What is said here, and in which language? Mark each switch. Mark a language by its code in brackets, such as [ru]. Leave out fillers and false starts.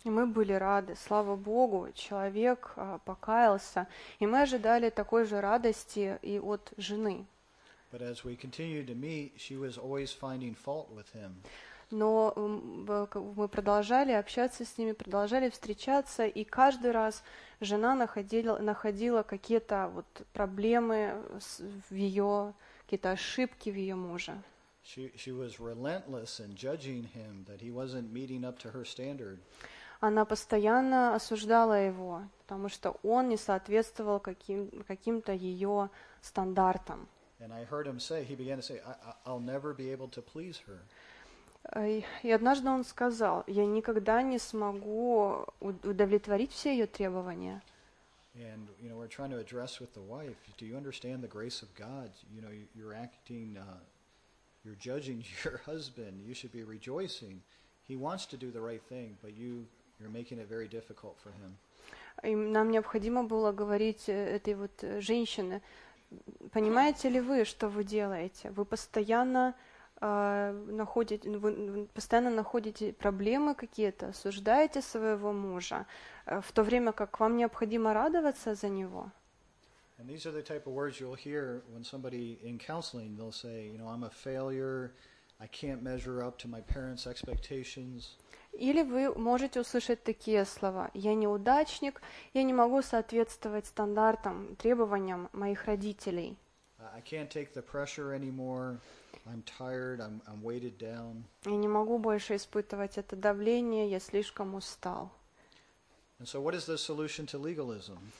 [ru] И мы были рады, слава Богу, человек покаялся, и мы ожидали такой же радости и от жены. [en] But as we continued to meet, she was always finding fault with him. [ru] Но мы продолжали общаться с ними, продолжали встречаться, и каждый раз жена находила какие-то вот проблемы в ее, какие-то ошибки в ее муже. [en] She was relentless in judging him that he wasn't meeting up to her standard. [ru] Она постоянно осуждала его, потому что он не соответствовал каким-то ее стандартам. [en] And I heard him say, he began to say, I'll never be able to please her. [ru] И однажды он сказал, я никогда не смогу удовлетворить все ее требования. [en] And you know, we're trying to address with the wife, do you understand the grace of God? You know, you're acting you're judging your husband. You should be rejoicing. He wants to do the right thing, but you're making it very difficult for him. [ru] И нам необходимо было говорить этой вот женщине, понимаете ли вы, что вы делаете? Вы постоянно вы постоянно находите проблемы какие-то, осуждаете своего мужа, в то время как вам необходимо радоваться за него. [en] And these are the type of words you'll hear when somebody in counseling, they'll say, you know, I'm a failure, I can't measure up to my parents' expectations. [ru] Или вы можете услышать такие слова: я неудачник, я не могу соответствовать стандартам, требованиям моих родителей. [en] I can't take the pressure anymore. I'm tired, I'm weighted down. [ru] Я не могу больше испытывать это давление, я слишком устал. [en] And so what is the solution to legalism?